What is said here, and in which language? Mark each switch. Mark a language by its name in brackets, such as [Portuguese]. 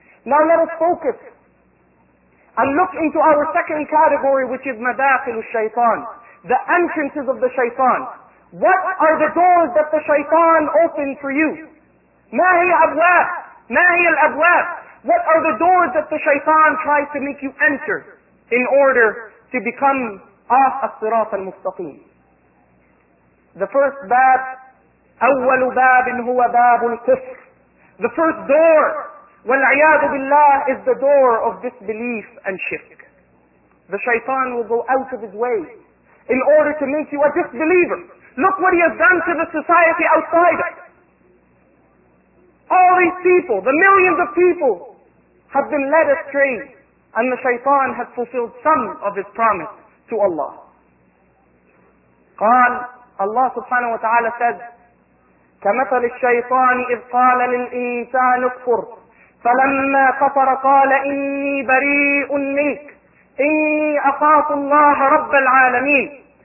[English] Now let us focus and look into our second category, which is [Arabic] madakhil al-shaytan, [English] the entrances of the shaytan. What are the doors that the shaytan opened for you? [Arabic] ما هي أبواب؟ ما هي الأبواب؟ [English] What are the doors that the shaytan tries to make you enter in order to become off as-sirat al-mustaqim? The first bab, [Arabic] أول باب هو باب الكفر. [English] The first door, [Arabic] والعياذ بالله, [English] is the door of disbelief and shirk. The shaitan will go out of his way in order to make you a disbeliever. Look what he has done to the society outside us. All these people, the millions of people, have been led astray, and the shaitan has fulfilled some of his promise to Allah. [Arabic] قال [English] Allah subhanahu wa ta'ala says, [Arabic] كَمَثَلِ الشَّيْطَانِ إِذْ قَالَ لِلْإِنسَانِ اكْفُرْ فَلَمَّا كَفَرَ قَالَ إِنِّي بَرِيءٌ مِنْكَ إِنِّي أَخَافُ اللَّهَ رَبَّ الْعَالَمِينَ.